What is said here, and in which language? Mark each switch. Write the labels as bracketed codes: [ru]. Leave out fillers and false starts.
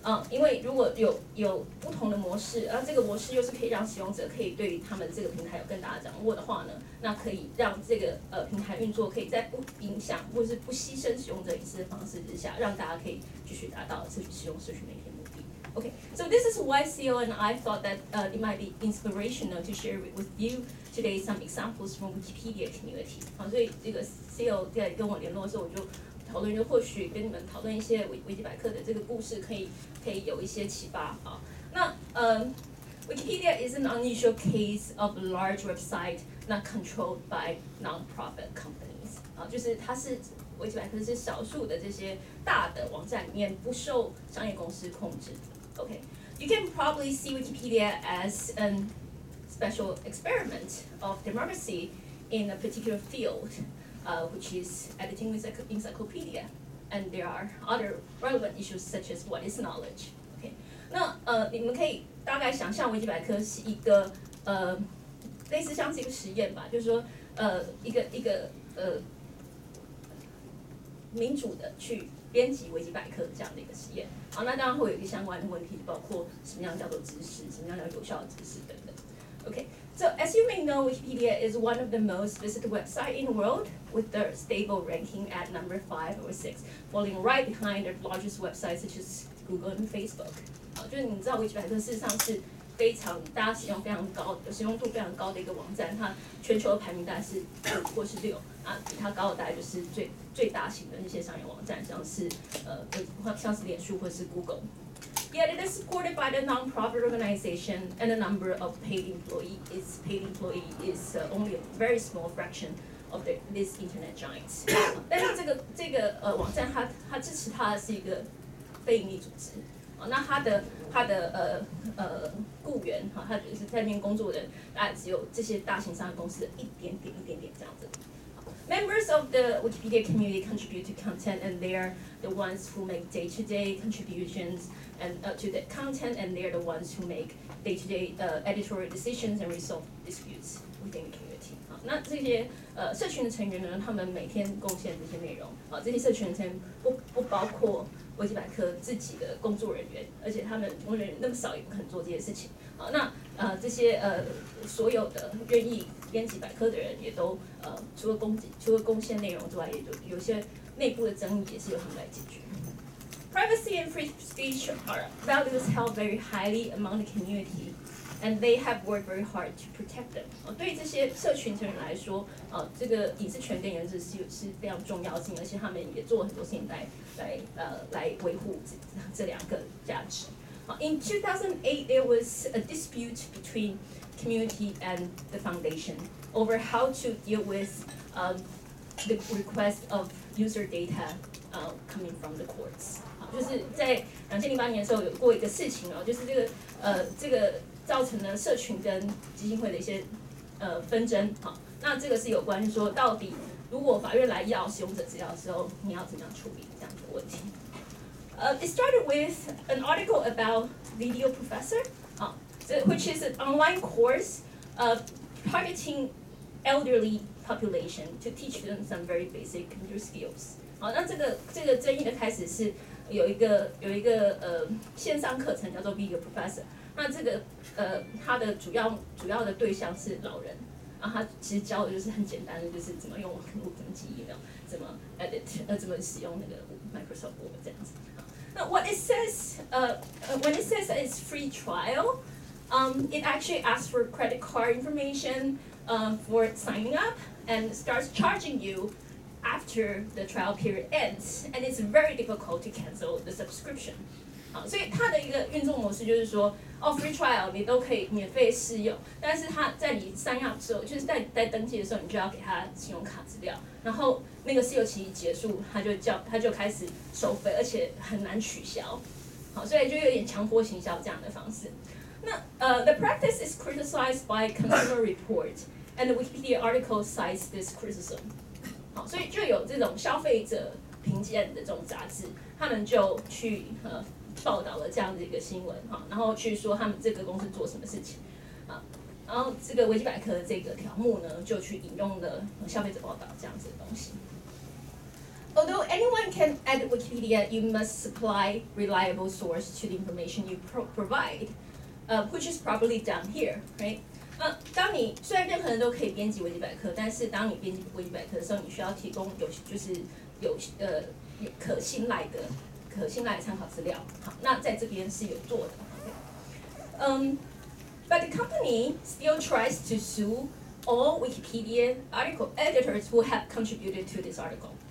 [zh] 因为如果有不同的模式，而这个模式又是可以让使用者可以对于他们这个平台有更大的掌握的话呢，那可以让这个平台运作可以在不影响或是不牺牲使用者隐私的方式之下，让大家可以继续达到使用社区媒体的目的。 [en] Okay, so this is why CEO and I thought that it might be inspirational to share with you today some examples from Wikipedia community. [zh] 好，所以这个 CEO 在跟我联络的时候，我就讨论，就或许跟你们讨论一些维基百科的这个故事可以有一些启发啊。那 [en] Wikipedia is an unusual case of a large website not controlled by non-profit companies [zh] 啊，就是它是维基百科是少数的这些大的网站里面不受商业公司控制的。 [en] OK, you can probably see Wikipedia as a special experiment of democracy in a particular field. Which is editing with encyclopedia, and there are other relevant issues such as what is knowledge. [zh] Okay, 那你们可以大概想象维基百科是一个类似像是一个实验吧，就是说一个民主的去编辑维基百科这样的一个实验。好，那当然会有一个相关的问题，包括什么样叫做知识，什么样叫有效的知识等等。 [en] Okay, so as you may know, Wikipedia is one of the most visited websites in the world, with the stable ranking at number 5 or 6, falling right behind the largest websites such as Google and Facebook. [zh] 好，就是你知道维基百科事实上是非常大家使用非常高的使用度非常高的一个网站，它全球的排名大概是5或是6啊，比它高的大概就是最大型的那些商业网站，像是像是脸书或是 Google。 [en] Yet it is supported by the non-profit organization, and the number of paid employees is only a very small fraction of these internet giants. [zh] 但是这个网站它支持它是一个非营利组织，那它的雇员哈，它就是在那边工作的人，大概只有这些大型商业公司的一点点这样子。 [en] Members of the Wikipedia community contribute to content, and they're the ones who make day-to-day contributions and, to the content, and they're the ones who make day-to-day editorial decisions and resolve disputes within the community. [zh] 那这些社群的成员呢，他们每天贡献这些内容。这些社群的成员不包括维基百科自己的工作人员，而且他们工作人员那么少，也不可能做这些事情。那这些所有的愿意编辑百科的人也都除了贡献内容之外，也就有些内部的争议也是由他们来解决。 [en] Privacy and free speech are values held very highly among the community, and they have worked very hard to protect them. [zh] 对于这些社群成员来说，这个隐私权跟原则是非常重要性，而且他们也做了很多事情来维护这两个价值。 [en] In 2008, there was a dispute between community and the foundation over how to deal with the request of user data coming from the courts. [zh] 就是在2008年的时候有过一个事情哦，就是这个造成了社群跟基金会的一些纷争。好，那这个是有关说到底如果法院来要使用者资料的时候，你要怎么样处理这样的问题。 [en] It started with an article about Video Professor, which is an online course targeting elderly population to teach them some very basic computer skills. [zh] 那这个争议的开始是有一个线上课程叫做 Video Professor. 那这个它的主要的对象是老人，然后它其实教的就是很简单的，就是怎么用网络，怎么记 email， 怎么 edit， 怎么使用那个 Microsoft Word 这样子。 [en] Now, when it says it's free trial, it actually asks for credit card information for signing up and starts charging you after the trial period ends, and it's very difficult to cancel the subscription. [zh] 好，所以它的一个运作模式就是说，哦 ， [en] free trial [zh] 你都可以免费试用，但是它在你 [en] sign up [zh] 的时候，就是在登记的时候，你就要给他信用卡资料，然后那个试用期一结束，他就开始收费，而且很难取消。好，所以就有点强迫行销这样的方式。 [en] 那the practice is criticized by Consumer Report, and the Wikipedia article cites this criticism. [zh] 好，所以就有这种消费者评鉴的这种杂志，他们就去报道了这样的一个新闻，然后去说他们这个公司做什么事情，然后这个维基百科的这个条目呢，就去引用了消费者报道这样子的东西。 [en] Although anyone can add Wikipedia, you must supply reliable source to the information you provide, which is probably done here, right? [zh] 当你虽然任何人都可以编辑维基百科，但是当你编辑维基百科的时候，你需要提供有就是有可信赖的参考资料。好，那在这边是有做的。 [en] But the company still tries to sue all Wikipedia article editors who have contributed to this article.